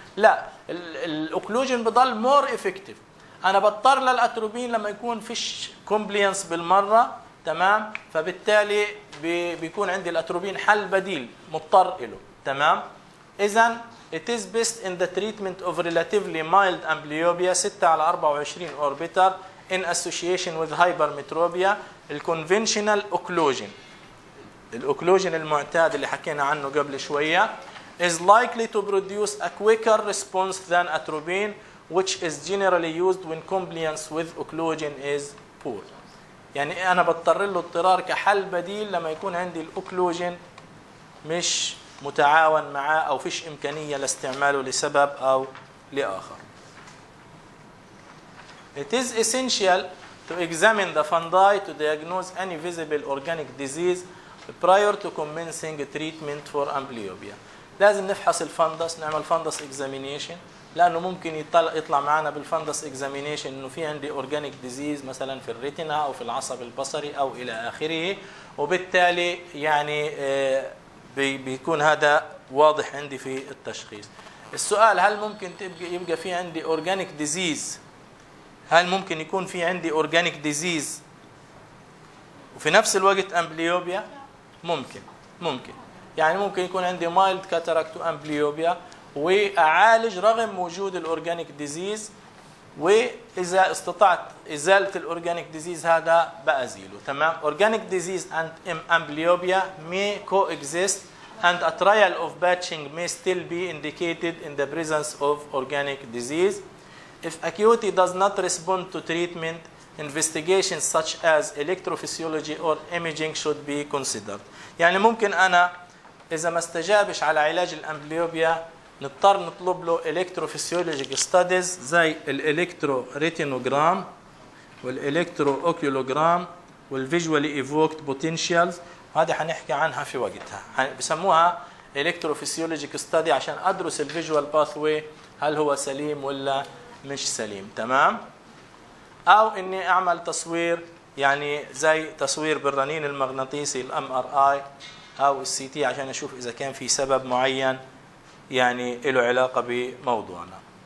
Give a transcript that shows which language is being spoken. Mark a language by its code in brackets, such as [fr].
[ar] لا، الأوكلوجن بضل مور إفكتيف. أنا بضطر للأتروبين لما يكون فيش كومبليانس بالمرة، تمام؟ فبالتالي بيكون عندي الأتروبين حل بديل مضطر له، تمام؟ إذن [en] it is best in the treatment of relatively mild amblyopia 6-24 or better in association with hypermetropia الconventional occlusion. [ar] الأوكلوجين المعتاد اللي حكينا عنه قبل شوية [en] is likely to produce a quicker response than atropine which is generally used when compliance with occlusion is poor. [ar] يعني أنا بضطر له اضطرار كحل بديل لما يكون عندي الأوكلوجين مش متعاون معه أو فيش إمكانية لاستعماله لسبب أو لآخر. [en] It is essential to examine the fundi to diagnose any visible organic disease prior to commencing treatment for amblyopia. [ar] لازم نفحص الفندس، نعمل فندس examination، لأنه ممكن يطلع معنا بالفندس examination إنه في عندي organic disease مثلا في الريتنا أو في العصب البصري أو إلى آخره، وبالتالي يعني بيكون هذا واضح عندي في التشخيص. السؤال، هل ممكن يبقى في عندي organic disease، هل ممكن يكون في عندي organic disease وفي نفس الوقت أمبليوبيا؟ ممكن يعني ممكن يكون عندي mild cataract وأمبليوبيا وأعالج رغم وجود الأورجانيك ديزيز، وإذا استطعت إزالة الأورجانيك ديزيز هذا بأزيله، تمام؟ أورجانيك ديزيز and أمبليوبيا [en] may coexist and a trial of batching may still be indicated in the presence of organic disease. If acuity does not respond to treatment, investigations such as electrophysiology or imaging should be considered. [ar] يعني ممكن أنا إذا ما استجابش على علاج الأمبليوبيا نضطر نطلب له [en] electrophysiologic studies [ar] زي الإلكترو ريتينوغرام والإلكترو أوكيولوغرام والفيجوالي إيفوكت بوتينشيالز. هذه حنحكي عنها في وقتها، بسموها electrophysiologic study عشان أدرس الفيجوال باثوي هل هو سليم ولا مش سليم، تمام؟ أو أني أعمل تصوير يعني زي تصوير بالرنين المغناطيسي الـ MRI أو الـ CT عشان أشوف إذا كان في سبب معين يعني له علاقة بموضوعنا.